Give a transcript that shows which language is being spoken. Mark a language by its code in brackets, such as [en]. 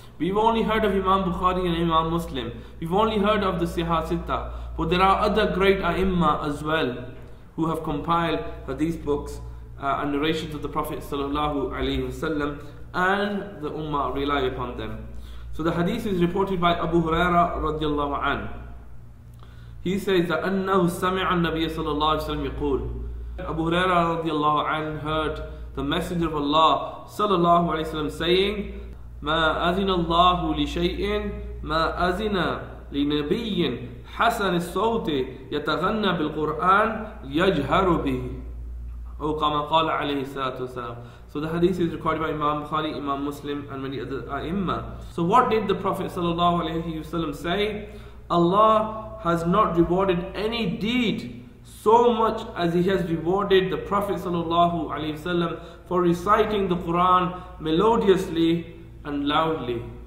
[en] We've only heard of Imam Bukhari and Imam Muslim. We've only heard of the Siha Sitta. But there are other great A'imma as well who have compiled hadith books and narrations of the Prophet sallallahu alaihi wasallam, and the Ummah rely upon them. So the hadith is reported by Abu Huraira radiallahu an. He says that [ar] أَنَّهُ سَمِعَ النَّبِيَ صَلَّى اللَّهُ عَلَيْهِ وَسَلَّمْ يَقُولُ. [en] Abu Huraira radiallahu an heard the Messenger of Allah sallallahu alaihi wasallam saying, [ar] مَا أَذِنَ اللَّهُ لِشَيْءٍ مَا أَذِنَ لِنَبِيٍّ حَسَنِ الصَّوْتِ يَتَغَنَّ بِالْقُرْآنِ يَجْهَرُ بِهِ أو كَمَا قَالَ عَلَيْهِ السَّلَاةُ وَسَلَامُ. [en] So the hadith is recorded by Imam Bukhari, Imam Muslim, and many other A'imma. So what did the Prophet sallallahu alayhi wa sallam say? Allah has not rewarded any deed so much as He has rewarded the Prophet sallallahu alayhi wa sallam for reciting the Quran melodiously and loudly.